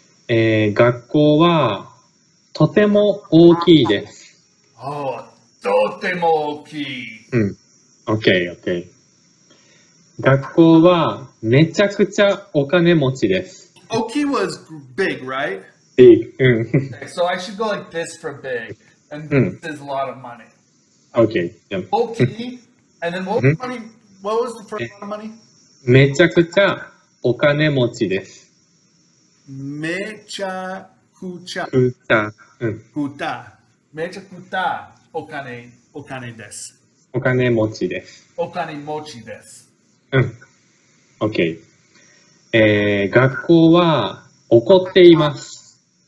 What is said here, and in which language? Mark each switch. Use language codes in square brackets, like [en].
[ja] 学校はとても大きいです。おお、とても大きい。うん。OK, OK. 学校はめちゃくちゃお金持ちです。 [en] 大きい was big, right? Big, うん。 So I should go like this for big, and this is a lot of money. OK, yeah. 大きい、and then what money, what was the first amount of money? [ja] めちゃくちゃお金持ちです。めちゃくちゃ。くた。うん。くた。めちゃくた。お金、お金です。お金持ちです。お金持ちです。うん。OK。 学校は怒っています。